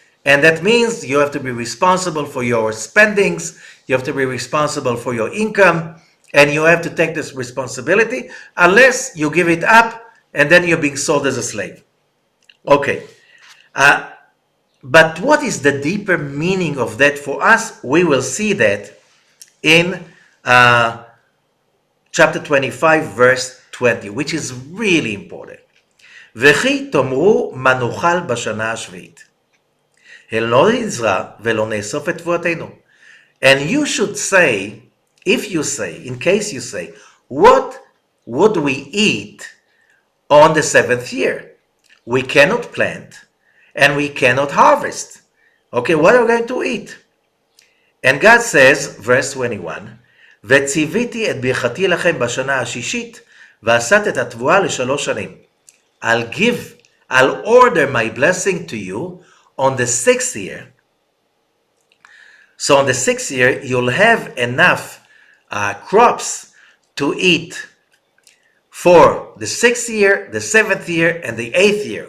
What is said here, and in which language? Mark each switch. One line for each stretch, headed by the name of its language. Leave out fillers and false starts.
English: And that means you have to be responsible for your spendings, you have to be responsible for your income, and you have to take this responsibility, unless you give it up, and then you're being sold as a slave. Okay. But what is the deeper meaning of that for us? We will see that in chapter 25, verse 20, which is really important.
Hebrew: וכי תאמרו מה נאכל בשנה השביעית. הן לא נזרע ולא נאסוף את תבואתנו.
English: And you should say, if you say, in case you say, what would we eat on the 7th year? We cannot plant and we cannot harvest. Okay, what are we going to eat?
Hebrew: And God says, verse 21, וציוויתי את ברכתי לכם בשנה השישית ועשת את התבואה לשלוש שנים.
English: I'll order my blessing to you on the 6th year. So on the 6th year, you'll have enough crops to eat for the 6th year, the 7th year, and the 8th year.